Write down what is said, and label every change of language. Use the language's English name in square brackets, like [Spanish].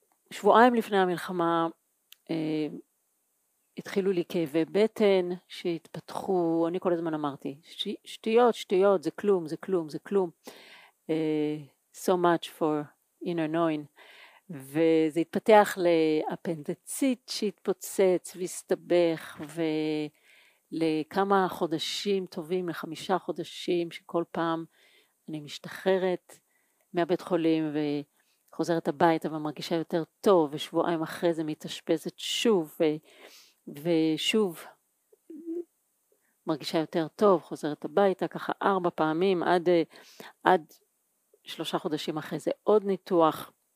[Hebrew] שבועיים לפני המלחמה, התחילו לי כאבי בטן שהתפתחו, אני כל הזמן אמרתי, שטויות, שטויות, זה כלום, זה כלום, זה כלום. [English] So much for inner knowing. [Hebrew] וזה התפתח לאפנדצית שהתפוצץ והסתבך, ולכמה חודשים טובים, לחמישה חודשים, שכל פעם אני משתחררת מהבית חולים ו... חוזרת הביתה ומרגישה יותר טוב, ושבועיים אחרי זה מתאשפזת שוב, ושוב מרגישה יותר טוב, חוזרת הביתה ככה 4 פעמים, עד 3 חודשים אחרי זה עוד ניתוח.